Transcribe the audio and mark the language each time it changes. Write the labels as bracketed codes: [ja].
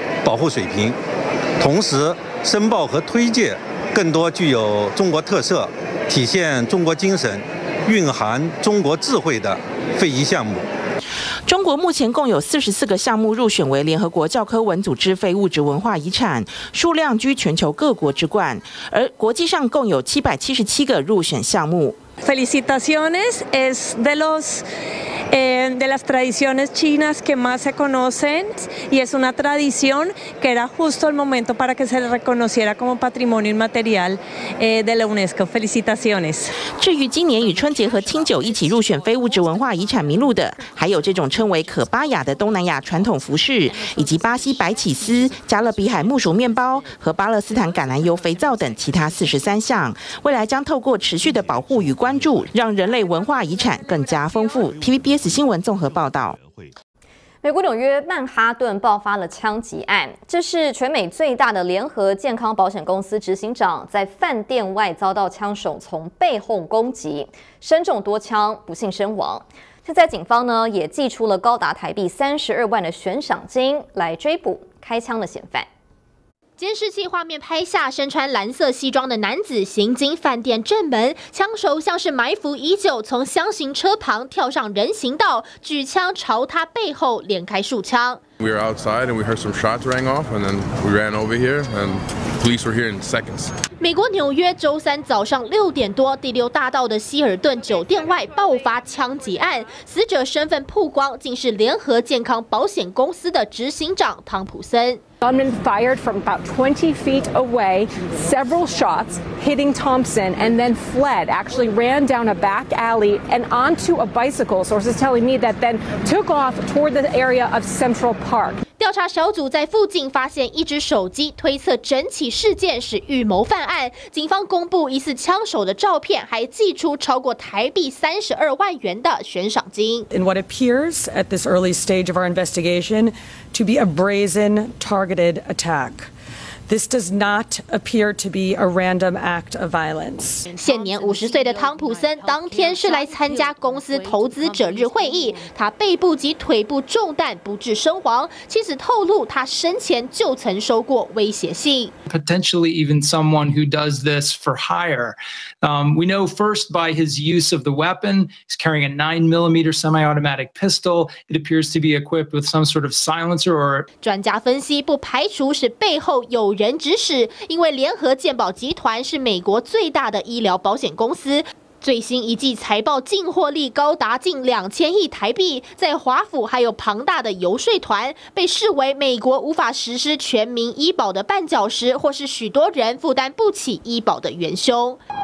[zh] 保护水平，同时申报和推介更多具有中国特色、体现中国精神、蕴含中国智慧的非遗项目。中国目前共有44个项目入选为联合国教科文组织非物质文化遗产，数量居全球各国之冠，而国际上共有777个入选项目。 [es] Felicitaciones, es de los, de las tradiciones chinas que más se conocen y es una tradición que era justo el momento para que se le reconociera como patrimonio inmaterial, de la UNESCO. Felicitaciones. [zh] 至于今年与春节和清酒一起入选非物质文化遗产名录的，还有这种称为可巴雅的东南亚传统服饰，以及巴西白起司、加勒比海木薯面包和巴勒斯坦橄榄油肥皂等其他43项，未来将透过持续的保护与关注，让人类文化遗产更加丰富。 TVBS 新闻综合报道。美国纽约曼哈顿爆发了枪击案，这是全美最大的联合健康保险公司执行长在饭店外遭到枪手从背后攻击，身中多枪，不幸身亡。现在警方呢也寄出了高达台币32万的悬赏金来追捕开枪的嫌犯。监视器画面拍下身穿蓝色西装的男子行经饭店正门，枪手像是埋伏已久，从厢型车旁跳上人行道，举枪朝他背后连开数枪。 [en] We were outside and we heard some shots rang off, and then we ran over here, and police were here in seconds. [zh] 美国纽约周三早上6点多，第六大道的希尔顿酒店外爆发枪击案，死者身份曝光，竟是联合健康保险公司的执行长汤普森。 [en] Gunman fired from about 20 feet away, several shots hitting Thompson, and then fled. Actually, ran down a back alley and onto a bicycle. Sources telling me that then took off toward the area of Central Park. [zh] 调查小组在附近发现一只手机，推测整起事件是预谋犯案。警方公布疑似枪手的照片，还寄出超过台币32万元的悬赏金。 [en] In what appears at this early stage of our investigation. To be a brazen targeted attack. This does not appear to be a random act of violence. [zh] 现年50岁的汤普森当天是来参加公司投资者日会议，他背部及腿部中弹，不治身亡。妻子透露，他生前就曾收过威胁信。 [en] Potentially, even someone who does this for hire. We know first by his use of the weapon. He's carrying a 9mm semi-automatic pistol. It appears to be equipped with some sort of silencer. Or [zh] 专家分析，不排除是背后有人指使，因为联合健保集团是美国最大的医疗保险公司。最新一季财报净获利高达近2000亿台币，在华府还有庞大的游说团，被视为美国无法实施全民医保的绊脚石，或是许多人负担不起医保的元凶。